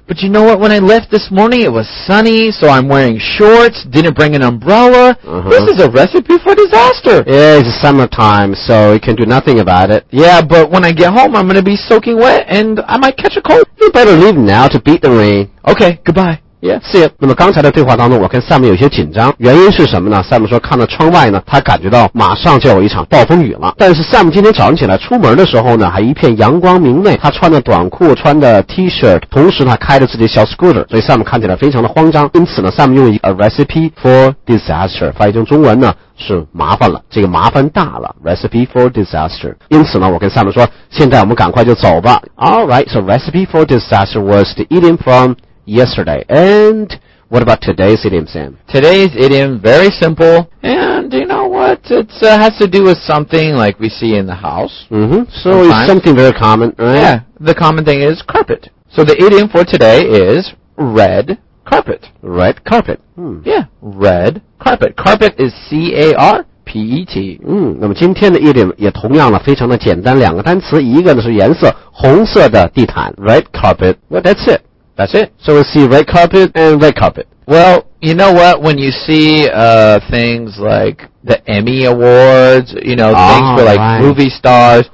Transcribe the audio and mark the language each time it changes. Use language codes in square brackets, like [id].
[en] But you know what? When I left this morning, it was sunny, so I'm wearing shorts, didn't bring an umbrella. Uh-huh. This is a recipe for disaster. Yeah, it's summertime, so you can do nothing about it. Yeah, but when I get home, I'm going to be soaking wet, and I might catch a cold. You better leave now to beat the rain. Okay, goodbye. Yeah, see ya. [zh] 那么刚才的对话当中，我跟 Sam 有些紧张，原因是什么呢？ Sam 说看到窗外呢，他感觉到马上就有一场暴风雨了。但是 Sam 今天早上起来出门的时候呢，还一片阳光明媚，他穿着短裤，穿着 T-shirt， 同时呢开着自己小 scooter， 所以 Sam 看起来非常的慌张。因此呢， Sam 用一个 [en] a recipe for disaster， [zh] 翻译成中文呢是麻烦了，这个麻烦大了， [en] recipe for disaster。 [zh] 因此呢，我跟 Sam 说，现在我们赶快就走吧。 [en] Alright, so recipe for disaster was the eating fromYesterday. And what about today's idiom, Sam? Today's idiom, very simple. And you know what? It has to do with something like we see in the house. Mm-hmm. So sometimes. It's something very common, right? Yeah. The common thing is carpet. So the idiom for today is red carpet. Red carpet. Yeah. Red carpet. Carpet is C-A-R-P-E-T. [zh] 那么今天的idiom也同样了，非常的简单，两个单词，一个呢是颜色，红色的地毯。 [en] Red carpet. Well, that's it. That's it. So we'll see red carpet and red carpet. Well, you know what? When you see things like the Emmy Awards, you know, things for like movie stars.